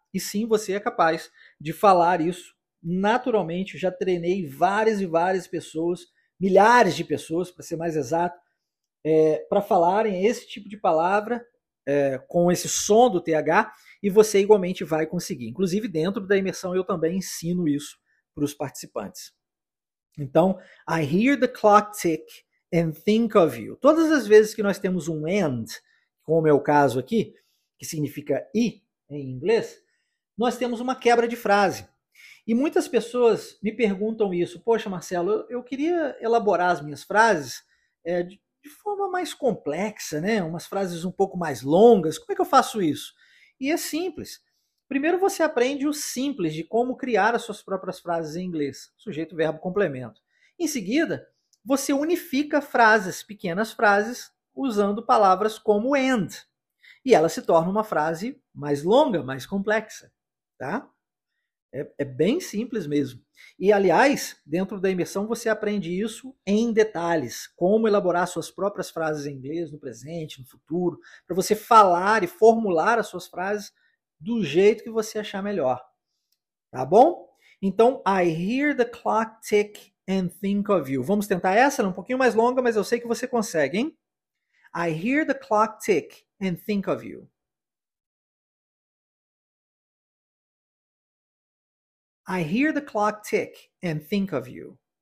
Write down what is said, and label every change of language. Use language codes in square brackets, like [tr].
[pt] E sim, você é capaz de falar isso naturalmente. Eu já treinei várias e várias pessoas, milhares de pessoas, para ser mais exato, para falarem esse tipo de palavra com esse som do TH, e você igualmente vai conseguir. Inclusive, dentro da imersão, eu também ensino isso para os participantes. [en] Então, I hear the clock tick and think of you. [pt] Todas as vezes que nós temos um and, como é o caso aqui, que significa e em inglês, nós temos uma quebra de frase. E muitas pessoas me perguntam isso, poxa, Marcelo, eu queria elaborar as minhas frases de forma mais complexa, né? Umas frases um pouco mais longas, como é que eu faço isso? E é simples. Primeiro você aprende o simples de como criar as suas próprias frases em inglês, sujeito, verbo, complemento. Em seguida, você unifica frases, pequenas frases, usando palavras como and. E ela se torna uma frase mais longa, mais complexa, tá? É bem simples mesmo. E, aliás, dentro da imersão você aprende isso em detalhes. Como elaborar suas próprias frases em inglês no presente, no futuro, para você falar e formular as suas frases do jeito que você achar melhor. Tá bom? [en] Então, I hear the clock tick and think of you. [pt] Vamos tentar essa? Ela é um pouquinho mais longa, mas eu sei que você consegue, hein? [en] I hear the clock tick and think of you. I hear the clock tick and think of you.